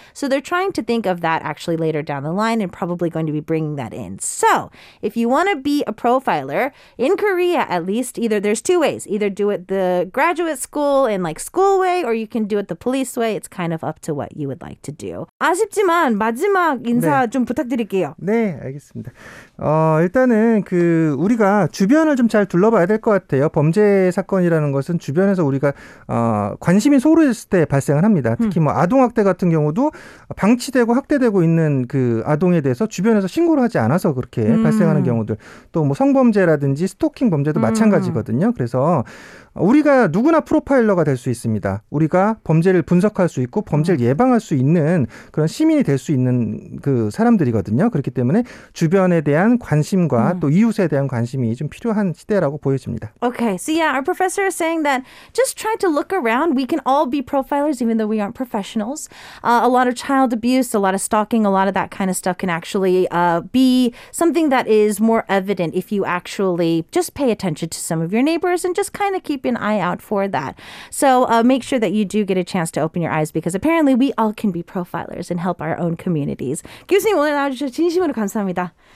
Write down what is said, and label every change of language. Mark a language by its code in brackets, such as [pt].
[en] So they're trying to think of that actually later down the line and probably going to be bringing that in. So if you want to be a profiler in Korea, at least either there's two ways, either do it the graduate school and like school way, or you can do it the police way. It's kind of up to what you would like to do. [ko] 아쉽지만 마지막 인사 네. 좀 부탁드릴게요. 네. 네, 알겠습니다. 일단은 그 우리가 주변을 좀 잘 둘러봐야 될 것 같아요. 범죄 사건이라는 것은 주변에서 우리가 관심이 소홀했을 때 발생을 합니다. 특히 뭐 아동학대 같은 경우도 방치되고 학대되고 있는 그 아동에 대해서 주변에서 신고를 하지 않아서 그렇게 발생하는 경우들 또 뭐 성범죄라든지 스토킹 범죄도 마찬가지거든요. 그래서 우리가 누구나 프로파일러가 될 수 있습니다. 우리가 범죄를 분석할 수 있고 범죄를 예방할 수 있는 그런 시민이 될 수 있는 그 사람들이거든요. 그렇기 때문에 주변에 대한 관심과 또 이웃에 대한 관심이 좀 필요한 시대라고 보여집니다. [en] Okay, so yeah, our professor is saying that just try to look around. We can all be profilers even though we aren't professionals. A lot of child abuse, a lot of stalking, a lot of that kind of stuff can actually be something that is more evident if you actually just pay attention to some of your neighbors and just kind of keep an eye out for that. So make sure that you do get a chance to open your eyes because apparently we all can be profilers and help our own communities. [ko] 교수님 오늘 나와주셔서 진심으로 감사합니다.